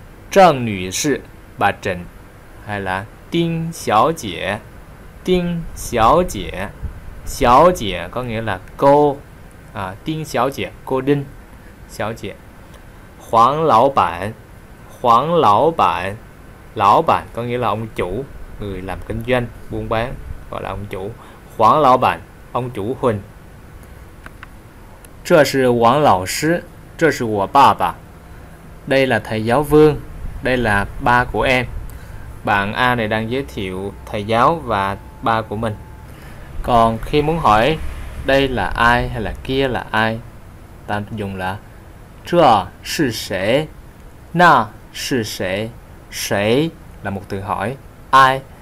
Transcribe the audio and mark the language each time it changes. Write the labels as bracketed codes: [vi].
[vi] Trần nữ sĩ, bà Trịnh. Hay là Tinh xiao jie, Tinh xiao jie, xiao jie có nghĩa là cô. Tinh xiao jie, cô Đinh xiao jie. Hoàng lão bản, Hoàng lão bản, lão bản có nghĩa là ông chủ, người làm kinh doanh buôn bán gọi là ông chủ. Hoàng lão bản, ông chủ Huỳnh. [zh] 这是王老师, 这是我爸爸. [vi] Đây là thầy giáo Vương, đây là ba của em. Bạn A này đang giới thiệu thầy giáo và ba của mình. Còn khi muốn hỏi đây là ai hay là kia là ai, ta dùng là [zh] 这是谁, 那是谁, 谁 [vi] là một từ hỏi, ai.